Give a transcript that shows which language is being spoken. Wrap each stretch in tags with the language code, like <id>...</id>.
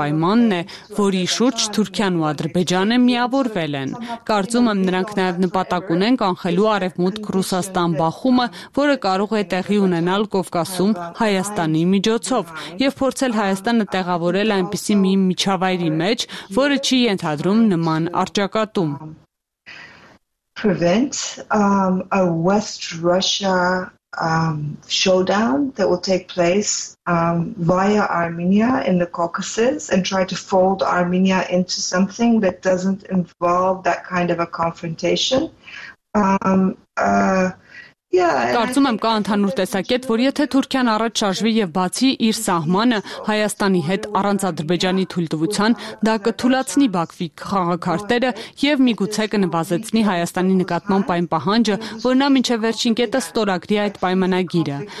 <hy>պայմանն է, որի շուրջ Թուրքիան ու Ադրբեջանը միավորվել են։ Կարծում եմ, նրանք նաև նպատակ ունեն կանխելու Արևմուտք Ռուսաստան բախումը, որը կարող է տեղի ունենալ Կովկասում Հայաստանի միջոցով, և փորձել Հայաստանը տեղավորել այնպիսի մի միջավայրի մեջ, որը չի ենթադրում նման արճակատում։</hy> <en>Prevent a West Russia showdown that will take place via Armenia in the Caucasus and try to fold Armenia into something that doesn't involve that kind of a confrontation.</en> <hy>Կարծում եմ, կա ընդհանուր տեսակետ, որ եթե Թուրքիան առաջ շարժվի և բացի իր սահմանը Հայաստանի հետ առանց Ադրբեջանի թույլտվության, դա կթուլացնի Բաքվի քաղաքարտերը և միգուցե կնվազեցնի Հայաստանի նկատմամբ այն պահանջը, որ նա մինչև վերջին կետը ստորագրի այդ պայմանագիրը։</hy>